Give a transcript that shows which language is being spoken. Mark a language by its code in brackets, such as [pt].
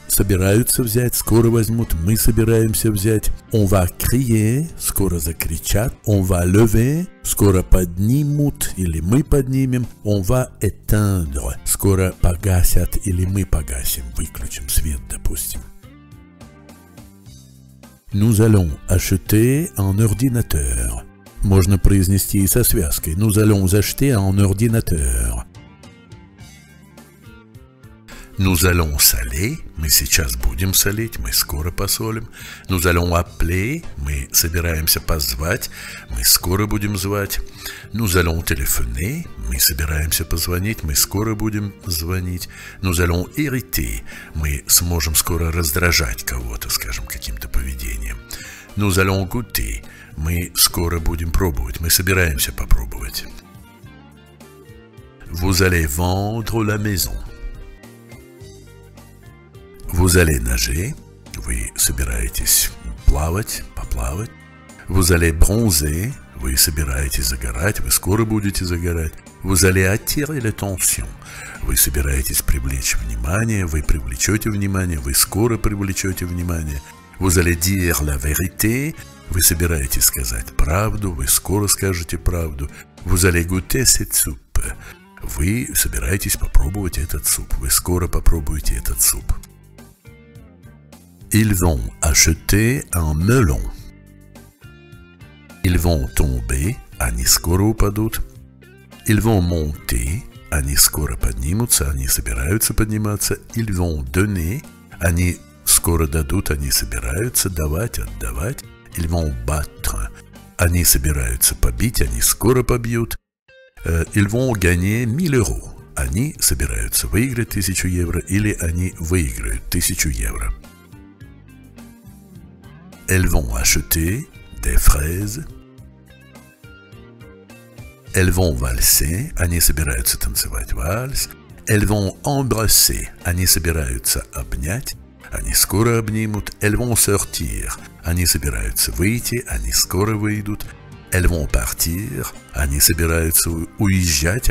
[ru] Собираются взять, скоро возьмут, мы собираемся взять. [fr] On va crier. [ru] Скоро закричат. [fr] On va lever. [ru] Скоро поднимут или мы поднимем. [fr] On va éteindre. [ru] Скоро погасят или мы погасим. Выключим свет, допустим. [fr] Nous allons acheter un ordinateur. [ru] Можно произнести и со связкой. [fr] Nous allons acheter un ordinateur. Nous allons saler. [ru] Мы сейчас будем солить. Мы скоро посолим. [fr] Nous allons appeler. [ru] Мы собираемся позвать. Мы скоро будем звать. [fr] Nous allons téléphoner. [ru] Мы собираемся позвонить. Мы скоро будем звонить. [fr] Nous allons irriter. [ru] Мы сможем скоро раздражать кого-то, скажем, каким-то поведением. [fr] Nous allons goûter. [ru] Мы скоро будем пробовать. Мы собираемся попробовать. [fr] Vous allez vendre la maison. Vous allez nager. [ru] Вы собираетесь плавать, поплавать. [fr] Vous allez bronzer. [ru] Вы собираетесь загорать. Вы скоро будете загорать. [fr] Vous allez attirer l'attention. [ru] Вы собираетесь привлечь внимание. Вы привлечете внимание. Вы скоро привлечете внимание. [fr] Vous allez dire la vérité. [ru] Вы собираетесь сказать правду, вы скоро скажете правду. [fr] Vous allez goûter cette soupe. [ru] Вы собираетесь попробовать этот суп. Вы скоро попробуете этот суп. [fr] Ils vont acheter un melon. Ils vont tomber. [ru] Они скоро упадут. [fr] Ils vont monter. [ru] Они скоро поднимутся. Они собираются подниматься. [fr] Ils vont donner. [ru] Они скоро дадут, они собираются давать, отдавать. [fr] Ils vont battre. [ru] Они собираются побить, они скоро побьют. [fr] Ils vont gagner 1000 euros. [ru] Они собираются выиграть 1000 евро или они выиграют 1000 евро. [fr] Elles vont acheter des fraises. Elles vont valser. [ru] Они собираются танцевать вальс. [fr] Elles vont embrasser. [ru] Они собираются обнять. Они скоро обнимут. [fr] Elles vont sortir. [ru] Они собираются выйти. Они скоро выйдут. [fr] Elles vont partir. [ru] Они собираются уезжать.